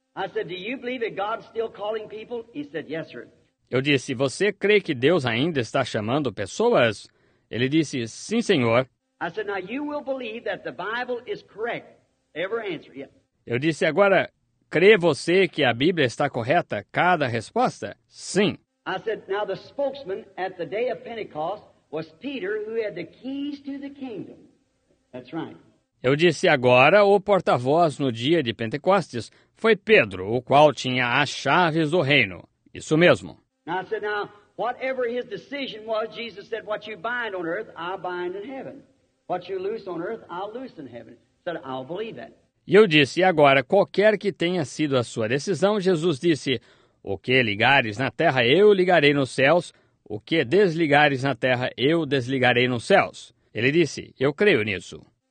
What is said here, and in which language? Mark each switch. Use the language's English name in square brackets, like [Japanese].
[English] I said, do you believe that God's still calling people? He said, yes, sir. [Portuguese] Eu disse, você crê que Deus ainda está chamando pessoas? Ele disse, sim, senhor. [English] I said, now you will believe that the Bible is correct. Every answer, yes. [Portuguese] Eu disse, agora, crê você que a Bíblia está correta? Cada resposta? Sim. [English] I said, now the spokesman at the day of Pentecost was Peter, who had the keys to the kingdom. That's right. [Portuguese] Eu disse, agora, o porta-voz no dia de Pentecostes foi Pedro, o qual tinha as chaves do reino. Isso mesmo. [English] I said, now, whatever his decision was, Jesus said, what you bind on earth, I'll bind in heaven. What you loose on earth, I'll loose in heaven. He said, I'll believe that. [Portuguese] E eu disse, e agora, qualquer que tenha sido a sua decisão, Jesus disse, o que ligares na terra, eu ligarei nos céus. O que desligares na terra, eu desligarei nos céus. Ele disse, eu creio nisso.